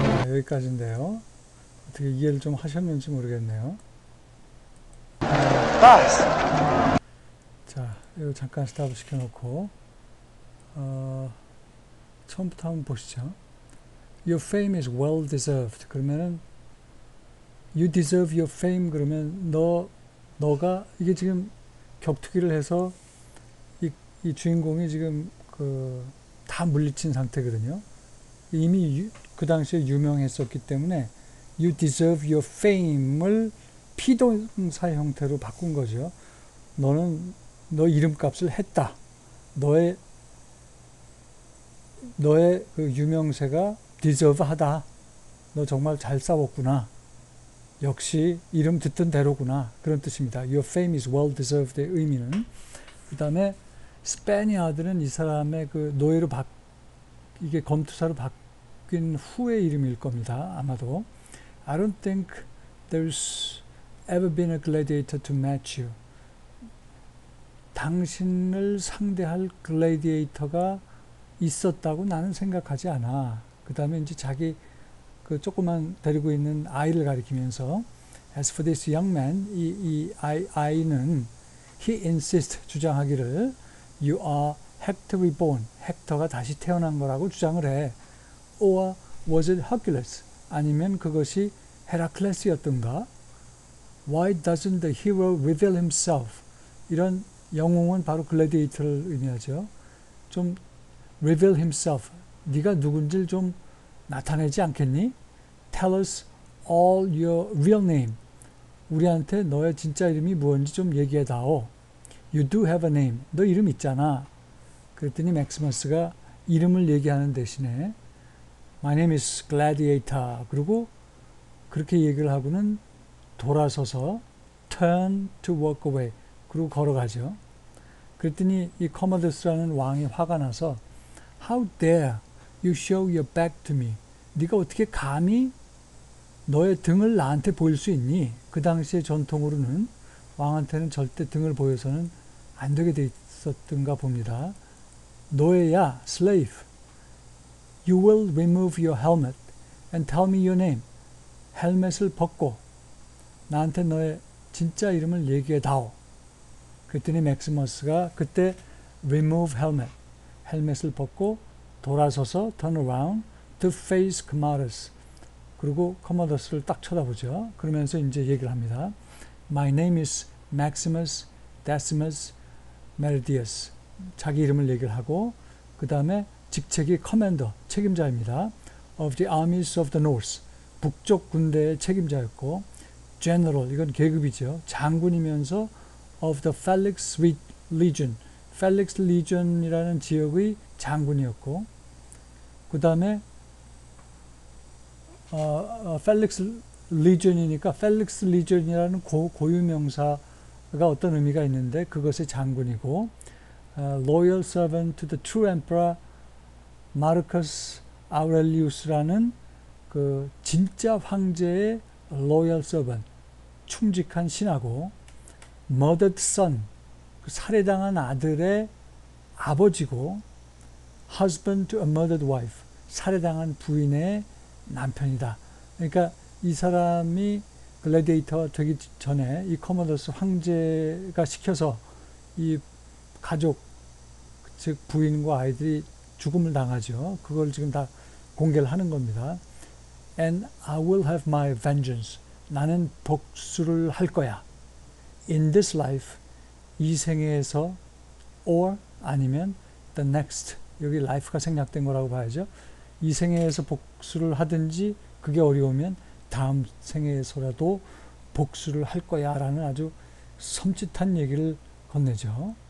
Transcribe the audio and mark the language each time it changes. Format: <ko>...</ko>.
<ko>Okay, 어떻게 이해를 좀 하셨는지 모르겠네요. 바스! 자, 이거 잠깐 스탑을 시켜놓고 처음부터 한번 보시죠.</ko> <en>Your fame is well deserved. 그러면은 You deserve your fame.</en> <ko>그러면 너가 이게 지금 격투기를 해서 이 주인공이 지금 그 다 물리친 상태거든요. 이미 그 당시에 유명했었기 때문에 You deserve your fame 을 피동사 형태로 바꾼 거죠. 너는 너 이름값을 했다. 너의 그 유명세가 deserve하다. 너 정말 잘 싸웠구나. 역시 이름 듣던 대로구나. 그런 뜻입니다.</ko> <en>Your fame is well deserved 의 의미는.</en> <ko>그 다음에 Spaniard는 이 사람의 그 노예로 이게 검투사로 바뀐 후의 이름일 겁니다. 아마도.</ko> <en>I don't think there's ever been a gladiator to match you.</en> <ko>당신을 상대할 글래디에이터가 있었다고 나는 생각하지 않아. 그 다음에 이제 자기 그 조그만 데리고 있는 아이를 가리키면서 As for this young man, 이 아이는 he insists 주장하기를 You are Hector reborn. 헥터가 다시 태어난 거라고 주장을 해.</ko> <en>Or was it Hercules?</en> <ko>아니면 그것이 헤라클레스였던가?</ko> <en>Why doesn't the hero reveal himself?</en> <ko>이런 영웅은 바로 글래디에이터를 의미하죠.</ko> <en>좀 reveal himself.</en> <ko>네가 누군지를 좀 나타내지 않겠니?</ko> <en>Tell us all your real name.</en> <ko>우리한테 너의 진짜 이름이 뭔지 좀 얘기해다오.</ko> <en>You do have a name. 너 이름 있잖아.</en> <ko>그랬더니 맥시머스가 이름을 얘기하는 대신에 My name is Gladiator. 그리고 그렇게 얘기를 하고는 돌아서서 turn to walk away 그리고 걸어가죠. 그랬더니 이 커머더스라는 왕이 화가 나서 How dare you show your back to me? 네가 어떻게 감히 너의 등을 나한테 보일 수 있니? 그 당시의 전통으로는 왕한테는 절대 등을 보여서는 안 되게 돼 있었던가 봅니다. 노예야, slave.</ko> <en>You will remove your helmet and tell me your name.</en> <ko>헬멧을 벗고 나한테 너의 진짜 이름을 얘기해다오. 그랬더니 맥시머스가 그때 remove helmet, 헬멧을 벗고 돌아서서 turn around to face Commodus. 그리고 커머더스를 딱 쳐다보죠. 그러면서 이제 얘기를 합니다.</ko> <en>My name is Maximus Decimus Meridius.</en> <ko>자기 이름을 얘기를 하고 그 다음에 직책이 commander, 책임자입니다.</ko> <en>Of the armies of the North.</en> <ko>북쪽 군대의 책임자였고 General, 이건 계급이죠. 장군이면서 Of the Felix Legion Felix Legion이라는 지역의 장군이었고 그 다음에 Felix Legion이니까 Felix Legion이라는 고유명사가 어떤 의미가 있는데 그것의 장군이고 Loyal Servant to the True Emperor Marcus 아우렐리우스라는 그 진짜 황제의 로얄 서번트, 충직한 신하고, murdered son, 그 살해당한 아들의 아버지고, husband to a murdered wife, 살해당한 부인의 남편이다. 그러니까 이 사람이 글래디에이터가 되기 전에 이 커머더스 황제가 시켜서 이 가족, 즉 부인과 아이들이 죽음을 당하죠. 그걸 지금 다 공개를 하는 겁니다.</ko> <en>And I will have my vengeance.</en> <ko>나는 복수를 할 거야. In this life, 이 생애에서 or 아니면 the next, 여기 life가 생략된 거라고 봐야죠. 이 생애에서 복수를 하든지 그게 어려우면 다음 생애에서라도 복수를 할 거야 라는 아주 섬찟한 얘기를 건네죠.</ko>